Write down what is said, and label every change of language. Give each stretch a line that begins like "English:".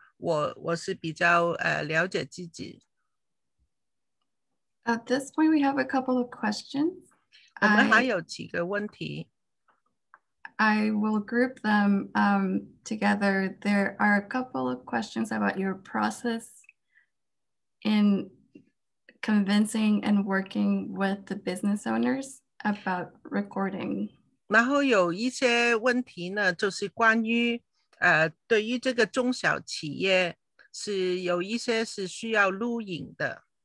Chinese: yeah，我自己做的几个事情，有一些是关于现代的中国，特别是比较近代的中国是比较现代化的，另外也有一些其他中国有关的事情，然后我是比较了解自己。
English: At this point, we have a couple of questions.
Chinese: 我们还有几个问题。I
English: will group them together. There are a couple of questions about your process in convincing and working with the business owners about recording.
Chinese: 然后有一些问题呢，就是关于对于这个中小企业。是有一些是需要录影的。